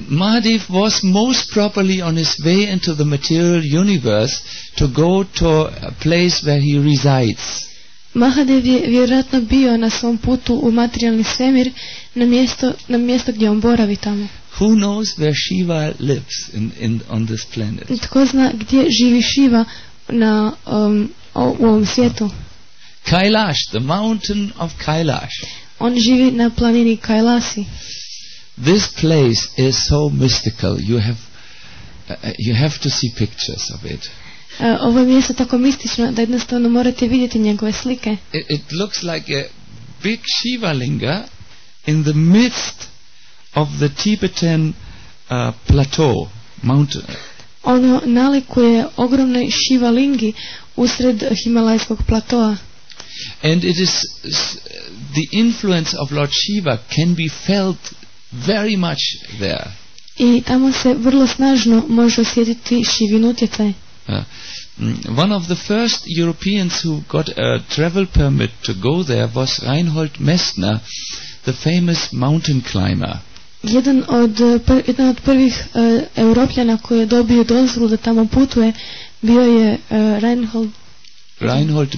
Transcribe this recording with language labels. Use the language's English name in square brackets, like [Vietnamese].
[English] Mahadev was most properly on his way into the material universe to go to a place where he resides. [Croatian] Mahadev je vjerojatno bio na svom putu u materijalni svemir, na mjesto gdje on boravi tamo. [English] Who knows where Shiva lives in on this planet? [Croatian] Tko zna gdje živi Shiva na u ovom svijetu? [English] Kailash, the mountain of Kailash. [Croatian] On živi na planini Kailasi. [English] This place is so mystical. You have to see pictures of it. [Croatian] Ovo mjesto tako mistično da jednostavno morate vidjeti njegove slike. [English] It looks like a big Shiva linga in the midst of the Tibetan plateau mountain. [Croatian] Ono nalikuje ogromnoj Shiva lingi usred himalajskog platoa. [English] And it is the influence of Lord Shiva can be felt very much there. [Croatian] I tamo se vrlo snažno može osjetiti Shivin utjecaj. [English] One of the first Europeans who got a travel permit to go there was Reinhold Messner, the famous mountain climber. [Croatian] Jedan od prvih Europljana koji je dobio dozvolu da tamo putuje bio je Reinhold